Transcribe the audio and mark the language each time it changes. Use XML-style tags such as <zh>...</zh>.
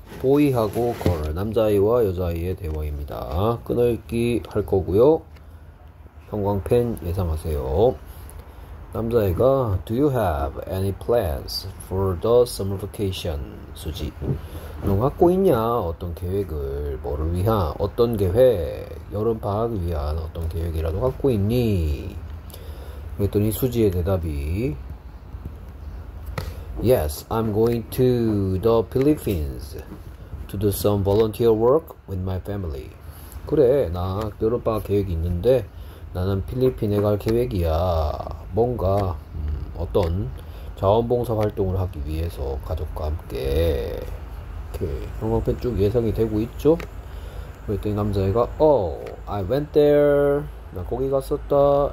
<ko>보이하고 걸, 남자아이와 여자아이의 대화입니다. 끊어읽기 할 거고요. 형광펜 예상하세요. 남자애가</ko> <en>Do you have any plans for the summer vacation?</en> <ko>수지. 너 갖고 있냐? 어떤 계획을? 뭐를 위한? 어떤 계획? 여름 방학을 위한 어떤 계획이라도 갖고 있니? 그랬더니 수지의 대답이</ko> <en>Yes, I'm going to the Philippines to do some volunteer work with my family.</en> <ko>그래, 나 여름방학 계획이 있는데 나는 필리핀에 갈 계획이야. 뭔가 어떤 자원봉사 활동을 하기 위해서 가족과 함께 이렇게 형광펜 쭉 예상이 되고 있죠? 그랬더니 남자애가</ko> <en>Oh, I went there.</en> <ko>나 거기 갔었다.</ko>